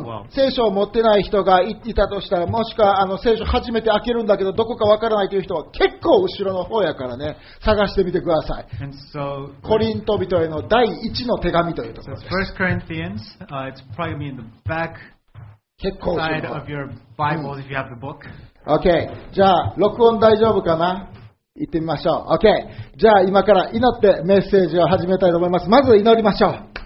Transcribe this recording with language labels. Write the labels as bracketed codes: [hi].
[ja] 聖書を持ってない人がいたとしたら、もしくはあの聖書初めて開けるんだけどどこかわからないという人は結構後ろの方やからね、探してみてください。 [en] And so, [ja] コリント人への第一の手紙というところです。 [en] So, 1 Corinthians, it's probably in the back side of your Bible if you have the book. [ja] Okay, じゃあ録音大丈夫かな？行ってみましょう。 Okay, じゃあ今から祈ってメッセージを始めたいと思います。まず祈りましょう。